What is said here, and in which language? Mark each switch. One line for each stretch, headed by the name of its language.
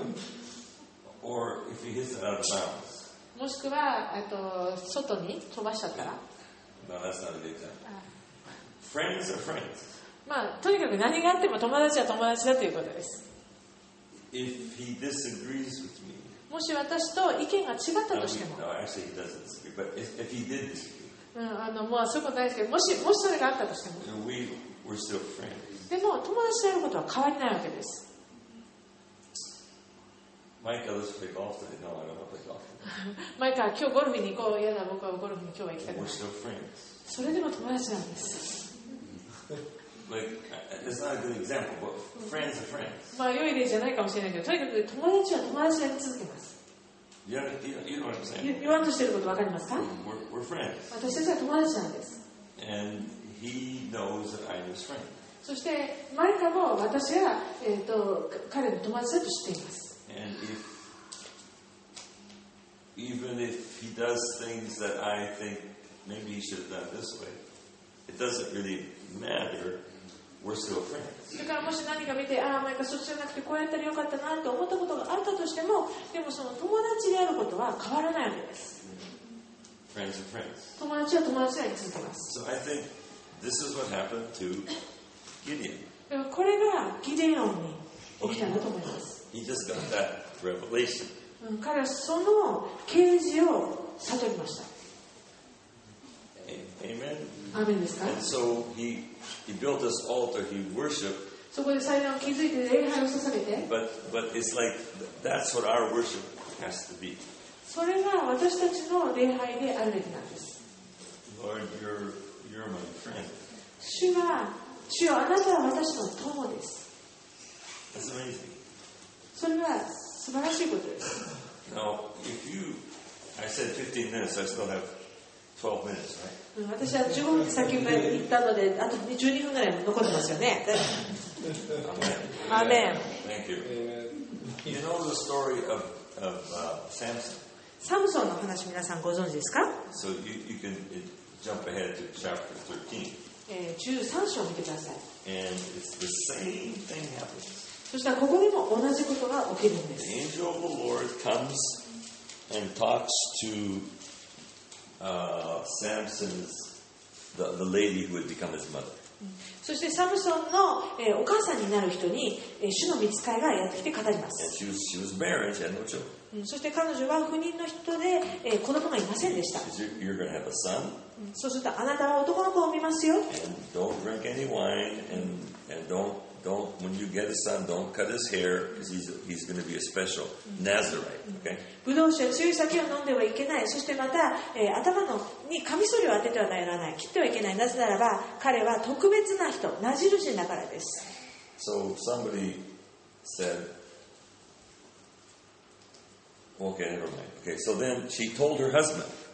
Japanese: もしくはあと外に飛ばしちゃったら。
English: No, that's not a good example. Friends are friends.
Japanese: まあとにかく何があっても友達は友達だということです。
English: If he disagrees with me,
Japanese: もし私と意見が違ったとしても。
English: No, actually he doesn't disagree, but if he did disagree.
Japanese: うん、あのもうそういうことないですけど、もしそれがあったとしても
English: we were still friends.
Japanese: でも友達であることは変わりないわけです。
English: マイカ、let's play golf today. No, I don't want to play golf.
Japanese: マイカ、今日ゴルフに行こう。嫌だ、僕はゴルフに今日は行きたくない。
English: We're still friends.
Japanese: それでも友達なんです。
English: Like, it's not a good example, but friends are friends.
Japanese: まあ良い例じゃないかもしれないけど、とにかく友達は友達であり続けます。
English: You want to say what?
Japanese: 分かりますか?
English: We're friends.
Japanese: 私たちは友達なんです。
English: And he knows that I'm his friend.
Japanese: そしてマイカも私は、彼の友達だと知っています。
English: And if, even if he does things that I think maybe he should have done this way, it doesn't really matter. We're still friends.
Japanese: だからもし何か見て、ああ、マイカ、そっちじゃなくてこうやったらよかったなと思ったことがあったとしても、でもその友達であることは変わらないわけです。
English: Friends are friends.
Japanese: 友達は友達であり続けます。
English: So I think this is what happened to Gideon.
Japanese: これがギデオンに起きたんだと思います。
English: He just got that revelation.
Japanese: 彼はその啓示を悟りました。
English: Amen.
Japanese: アーメンですか?
English: And so he built this altar, he worshiped.
Japanese: そこで祭壇を築いて礼拝を捧げて。
English: But it's like, that's what our worship has to be.
Japanese: それが私たちの礼拝であるべきなんです。
English: Lord, you're my friend.
Japanese: 主よ、あなたは私の友です。
English: That's amazing.
Japanese: それは素晴らしいことです。
English: Now, if you, I said 15 minutes, I still have 12 minutes, right?
Japanese: 私は15分先まで行ったので、あと12分ぐらい残ってますよね。アーメン。
English: Thank you. You know the story of Samson?
Japanese: サムソンの話、皆さんご存知ですか?
English: So you can jump ahead to chapter 13.
Japanese: 13章を見てください。
English: And it's the same thing happens.
Japanese: そしたらここにも同じことが起きるんです。
English: The angel of the Lord comes and talks toSamson's the lady who would become his mother.
Japanese: そしてサムソンの、お母さんになる人に、主の御使いがやってきて語ります。
English: And she was married, she had no children.
Japanese: そして彼女は不妊の人で、子供がいませんでした。
English: You're gonna have a son.
Japanese: そうするとあなたは男の子を産みますよ。
English: And don't drink any wine and don't when you get a son, don't cut his hair because he's going to be a special Nazarite. Okay.
Japanese: ブドウ酒、強い酒を飲んではいけない。そしてまた、頭のにカミソリを当ててはならない。切ってはいけない。なぜならば彼は特別な人、ナジル人だからです。
English: So somebody said, okay, never mind. Okay. So then she told her husband.